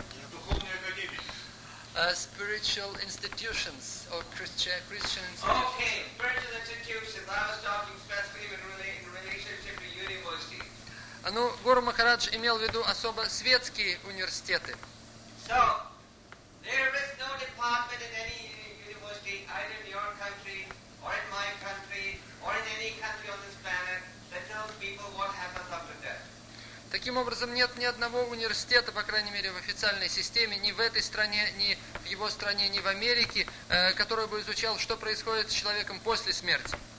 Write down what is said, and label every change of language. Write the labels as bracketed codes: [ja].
[ru] Духовные академии. [en] Spiritual institutions or Christian institutions. Okay, spiritual institutions. I was talking specifically in relationship to universities. [ru] Ну, Гуру Махарадж имел в виду особо светские университеты. [en] So, there is no department in any university, either in your country, or in my country, or in any country on this planet, that tells people what happens after death. [ru] Таким образом, нет ни одного университета, по крайней мере, в официальной системе, ни в этой стране, ни в его стране, ни в Америке, который бы изучал, что происходит с человеком после смерти.